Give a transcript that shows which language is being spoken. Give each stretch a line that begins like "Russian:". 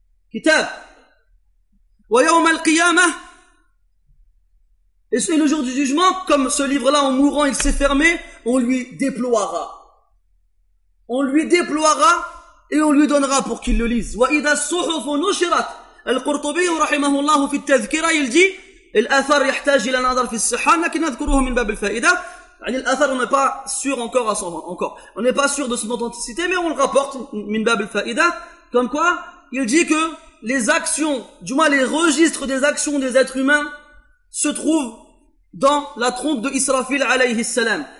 Arabic: Kitab. وَيَوْمَ الْقِيَامَةِ.
French: Et c'est le jour du jugement, comme ce livre-là, en mourant, il s'est fermé, on lui déploiera. On lui déploiera et on lui donnera pour qu'il le lise.
Arabic: وَإِذَا الصُّحُفُ نُشِرَتْ. Al-Qurtubi, رحمه الله في التذكرة,
French: il dit,
Arabic: الأثر يحتاج إلى نظر في الصحة, لكن نذكره من باب الفائدة.
French: L'Athar, on n'est pas sûr encore à son, encore. On n'est pas sûr de son authenticité, mais on le rapporte,
Arabic: min باب الفائدة.
French: Comme quoi, il dit que les actions, du moins les registres des actions des êtres humains, se trouve dans la trompe de Israfil alayhi salam.